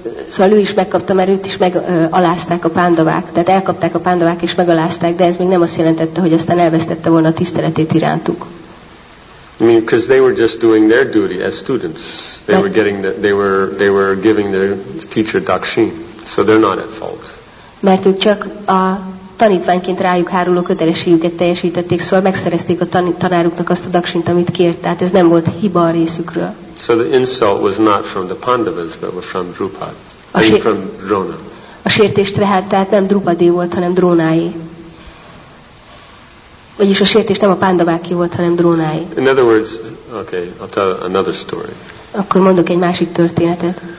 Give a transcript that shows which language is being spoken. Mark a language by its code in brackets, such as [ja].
[hu] Szóval ő is megkapta, mert őt is megalázták a Pandavák, tehát elkapták a Pandavák és megalázták, de ez még nem azt jelentette, hogy aztán elvesztette volna a tiszteletét irántuk. [en] I mean, because they were just doing their duty as students. They were getting the, they were giving their teacher dakshin, so they're not at fault. [hu] Mert ők csak a tanítványként rájuk háruló kötelességüket teljesítették, szóval megszerezték a tanáruknak azt a daksint, amit kért, tehát ez nem volt hiba a részükről. [en] So the insult was not from the Pandavas, but was from Drupad, from Drona. [hu] A sértés tehát nem Drupadé volt, hanem Drónáé. Vagyis a sértés nem a Pandaváké volt, hanem Drónáé. [en] In other words, okay, I'll tell another story. [hu] Akkor mondok egy másik történetet.